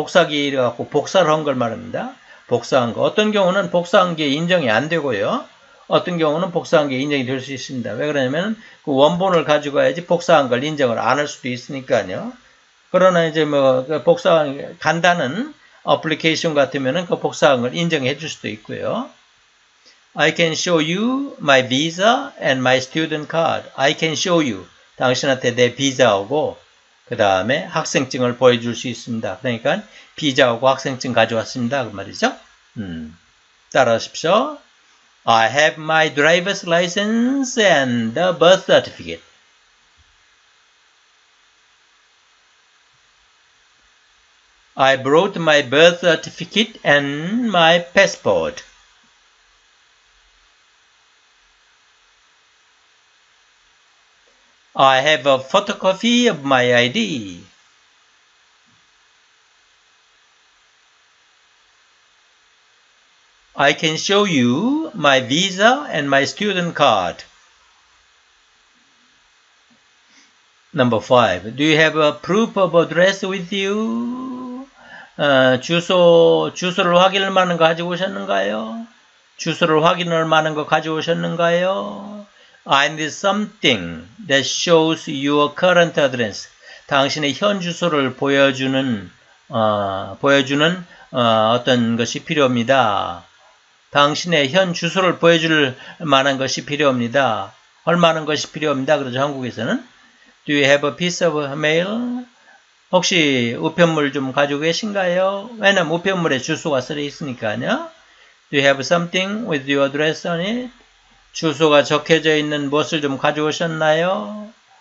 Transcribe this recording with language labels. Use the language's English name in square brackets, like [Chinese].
[Korean] 복사기를 갖고 복사를 한 걸 말합니다. 복사한 거. 어떤 경우는 복사한 게 인정이 안 되고요. 어떤 경우는 복사한 게 인정이 될 수 있습니다. 왜 그러냐면 그 원본을 가지고 와야지 복사한 걸 인정을 안 할 수도 있으니까요. 그러나 이제 뭐 그 복사한 간단한 어플리케이션 같으면은 그 복사한 걸 인정해 줄 수도 있고요. [English] I can show you my visa and my student card. I can show you. [Korean] 당신한테 내 비자하고 그 다음에 학생증을 보여줄 수 있습니다. 그러니까 비자하고 학생증 가져왔습니다. 그 말이죠. 따라하십시오. [English] I have my driver's license and the birth certificate. I brought my birth certificate and my passport. I have a photocopy of my ID. I can show you my visa and my student card. Number five. Do you have a proof of address with you? [Korean] 주소를 확인할 만한 거 가지고 오셨는가요? 주소를 확인할 만한 거 가지고 오셨는가요? [English] I need something that shows your current address. [Korean] 당신의 현 주소를 보여주는 어떤 것이 필요합니다. 당신의 현 주소를 보여줄 만한 것이 필요합니다. 할 만한 것이 필요합니다. 그러죠, 한국에서는. [English] Do you have a piece of mail? [Korean] 혹시 우편물 좀 가지고 계신가요? 왜냐면 우편물에 주소가 쓰여 있으니까요. [English] Do you have something with your address on it? [Korean] 주소가 적혀져 있는 무엇을 좀 가져오셨나요?